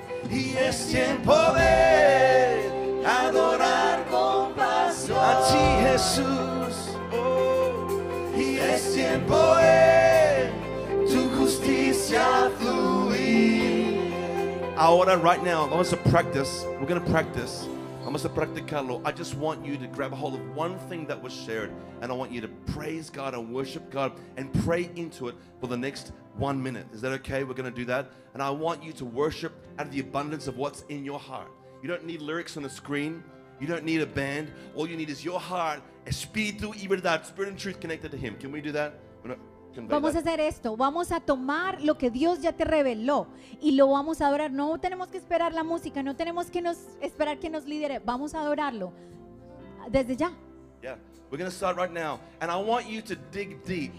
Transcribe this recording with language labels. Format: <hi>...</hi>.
<es>Y es tiempo de adorar con pasión a ti, Jesús. Oh. Y es tiempo de tu justicia fluir. Ahora,</es> <en>right now,</en> <es>vamos a</es> <en>practice. We're going to practice.</en> <es>Vamos a practicarlo.</es> <en>I just want you to grab a hold of one thing that was shared, and I want you to praise God and worship God and pray into it for the next 1 minute. Is that okay? We're going to do that. And I want you to worship out of the abundance of what's in your heart. You don't need lyrics on the screen. You don't need a band. All you need is your heart,</en> <es>espíritu y verdad,</es> <en>spirit and truth connected to him. Can we do that?</en> <es>Vamos a hacer esto. Vamos a tomar lo que Dios ya te reveló y lo vamos a adorar. No tenemos que esperar la música, no tenemos que esperar que nos lidere. Vamos a adorarlo desde ya.</es> <en>Yeah. We're going to start right now and I want you to dig deep.</en>